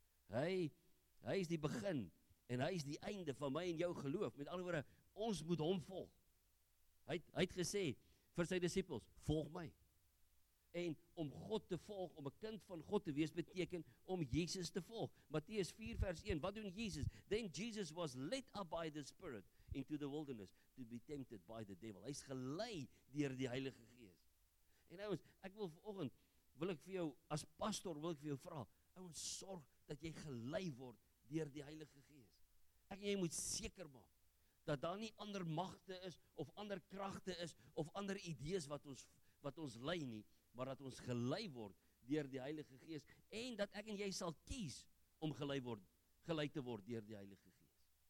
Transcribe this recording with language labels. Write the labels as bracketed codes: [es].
[af] Hy is die begin en hy is die einde van my en jou geloof. Met ander woorde, ons moet hom volg. Hy het gesê vir sy disippels, volg my. En om God te volg, om 'n kind van God te wees, beteken om Jesus te volg. Matteus 4 vers 1, wat doen Jesus? [en] Then Jesus was led up by the Spirit into the wilderness to be tempted by the devil. [af] Hy is gelei deur die Heilige Gees. En ouens, ek wil vanoggend wil ek vir jou vra, ouens, sorg dat jy gelei word deur die Heilige Gees. Ek en jy moet seker maak dat daar nie ander magte is of ander kragte is of ander idees wat ons lei nie, maar dat ons gelei word deur die Heilige Gees en dat ek en jy sal kies om gelei te word deur die Heilige Gees.